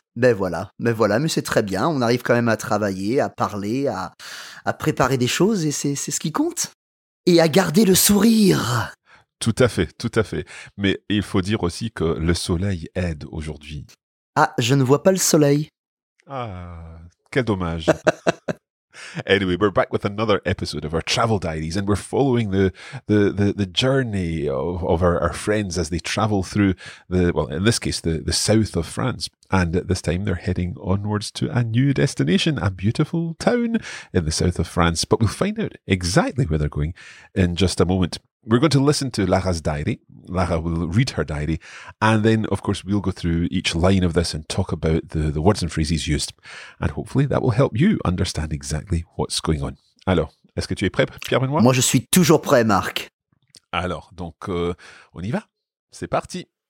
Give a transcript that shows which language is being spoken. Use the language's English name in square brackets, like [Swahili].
[French] Ben voilà, mais c'est très bien. On arrive quand même à travailler, à parler, à préparer des choses et c'est ce qui compte. Et à garder le sourire. Tout à fait. Mais il faut dire aussi que le soleil aide aujourd'hui. Ah, je ne vois pas le soleil. Ah, quel dommage. [English] Anyway, we're back with another episode of our travel diaries, and we're following the journey of our friends as they travel through the south of France. And this time they're heading onwards to a new destination, a beautiful town in the south of France. But we'll find out exactly where they're going in just a moment. We're going to listen to Lara's diary. Lara will read her diary. And then, of course, we'll go through each line of this and talk about the words and phrases used. And hopefully that will help you understand exactly what's going on. [French] Alors, est-ce que tu es prêt, Pierre-Benoît? Moi, je suis toujours prêt, Marc. Alors, donc, on y va. C'est parti.